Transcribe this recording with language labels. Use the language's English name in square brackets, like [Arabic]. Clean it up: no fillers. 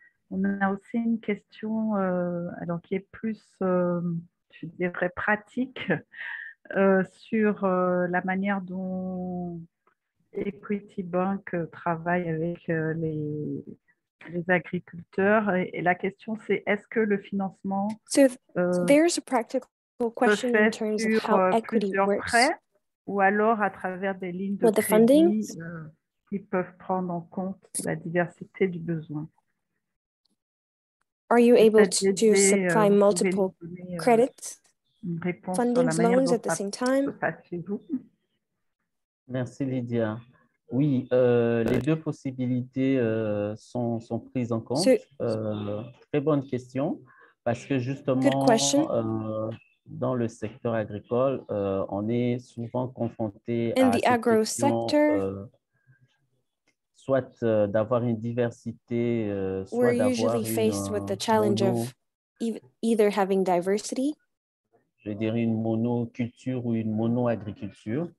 [French] On a aussi une question alors, qui est plus, je dirais, pratique sur la manière dont Equity Bank travaille avec les agriculteurs. Et la question, c'est est-ce que le financement... [English] There's a practical question in terms of how equity works. [French] Ou alors à travers des lignes de crédit qui peuvent prendre en compte la diversité du besoin. [English] Are you able to supply multiple credits, funding loans at the same time? [French] Merci, Lydia. Oui, les deux possibilités sont prises en compte. Très bonne question, parce que justement, dans le secteur agricole, on est souvent confronté à cette question, soit d'avoir une diversité, soit d'avoir une monoculture ou une monoagriculture,